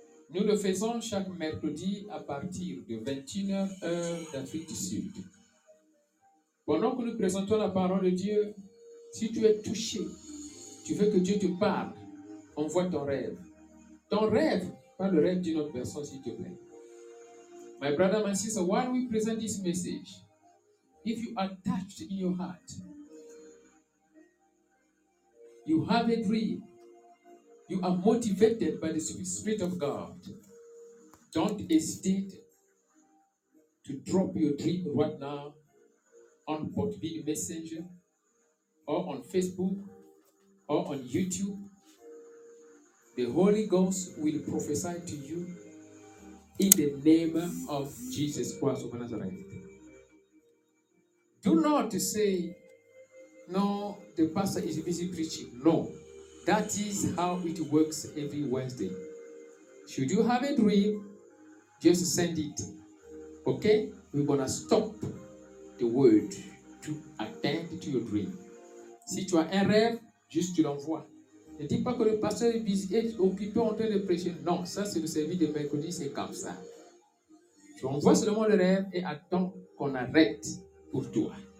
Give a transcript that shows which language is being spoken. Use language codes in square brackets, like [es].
[fr] Nous le faisons chaque mercredi à partir de 21h heure d'Afrique du Sud. Pendant que nous présentons la parole de Dieu, si tu es touché, tu veux que Dieu te parle, envoie ton rêve. Ton rêve, pas le rêve d'une autre personne, s'il te plaît. [en] My brother, my sister, while we present this message, if you attached in your heart, you have a dream, you are motivated by the Spirit of God, don't hesitate to drop your dream right now on Portbid Messenger or on Facebook or on YouTube. The Holy Ghost will prophesy to you in the name of Jesus Christ of Nazareth. Do not say, no, the pastor is busy preaching. No, that is how it works every Wednesday. Should you have a dream, just send it. Okay? We're going to stop the word to attend to your dream. [fr] Si tu as un rêve, juste tu l'envoies. Ne dis pas que le pasteur est busy, est occupé en train de prêcher. Non, ça c'est le service de mercredi, c'est comme ça. Tu envoies seulement le rêve et attends qu'on arrête pour toi.